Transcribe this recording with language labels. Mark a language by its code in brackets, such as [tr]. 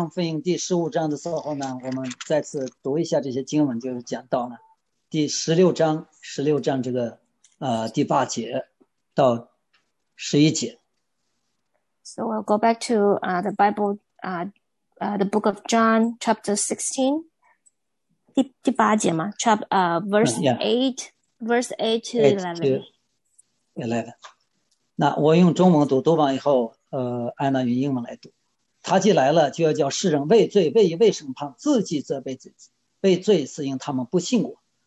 [zh] 那我们读到这个约翰福音第15章的时候呢, 我们再次读一下这些经文就是讲到呢, 第十六章这个第八节到十一节。 [en] So I'll go back to the Bible, the book of John, chapter 16, [zh] 第八节嘛, [en] verse 8 to 11. [zh] 那我用中文读，读完以后，安娜用英文来读。他既来了，就要叫世人畏罪，为义为审判，自己则被罪，被罪是因他们不信我。